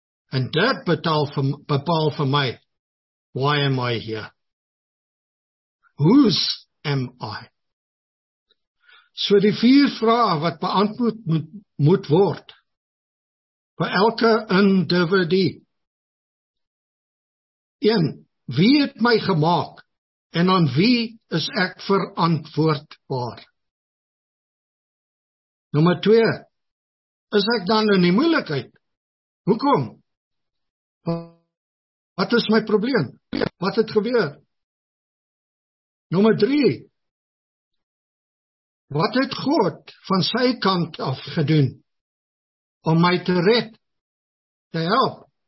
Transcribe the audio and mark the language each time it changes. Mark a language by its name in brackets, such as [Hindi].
[Afrikaans] En dit bepaal vir my, [English] why am I here? Whose am I? [Afrikaans] So die 4 vrae wat beantwoord moet word, vir elke individu. 1. Wie het my gemaak en aan wie is ek verantwoordbaar? Nummer 2. Is ek dan in die moeilikheid? Hoekom? Wat is my probleem? Wat het gebeur? Nummer 3. Wat het God van sy kant af gedoen om my te red, te help?